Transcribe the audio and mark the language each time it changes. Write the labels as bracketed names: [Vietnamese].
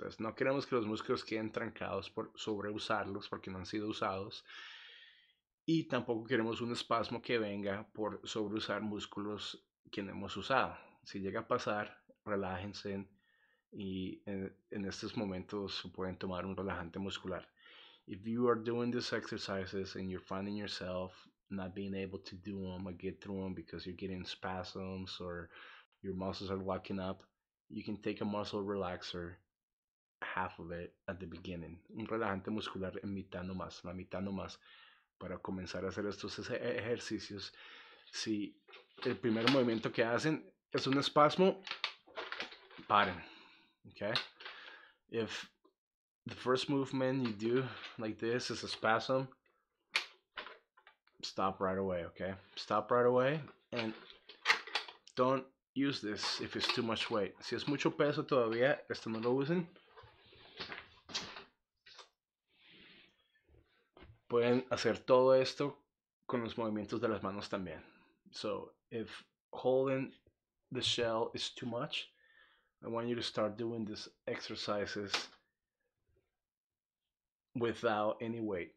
[Spanish] Entonces, no queremos que los músculos queden trancados por sobreusarlos porque no han sido usados. Y tampoco queremos un espasmo que venga por sobreusar músculos que no hemos usado. Si llega a pasar, relájense y en estos momentos pueden tomar un relajante muscular. [English] If you are doing these exercises and you're finding yourself not being able to do them or get through them because you're getting spasms or your muscles are locking up, you can take a muscle relaxer, half of it, at the beginning. [Spanish] Un relajante muscular en mitad nomás, la mitad nomás, para comenzar a hacer estos ejercicios. Si el primer movimiento que hacen es un espasmo, paren, okay? [English] If the first movement you do like this is a spasm, stop right away, okay? Stop right away and don't use this if it's too much weight. [Spanish] Si es mucho peso todavía, esto no lo usen. Pueden hacer todo esto con los movimientos de las manos también. [English] So if holding the shell is too much, I want you to start doing these exercises without any weight.